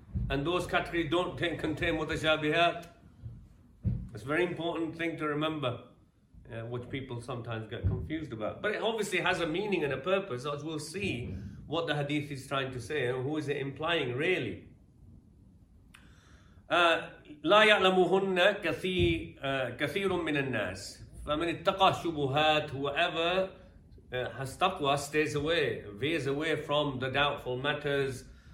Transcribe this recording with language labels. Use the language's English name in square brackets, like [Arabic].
[English] And those categories don't contain mutashabihat. It's a very important thing to remember, which people sometimes get confused about. But it obviously has a meaning and a purpose, as we'll see what the hadith is trying to say and who is it implying really. [Arabic] لا يعلمهن كثير من الناس فمن اتقى شبهات. [English] Whoever has taqwa stays away, veers away from the doubtful matters.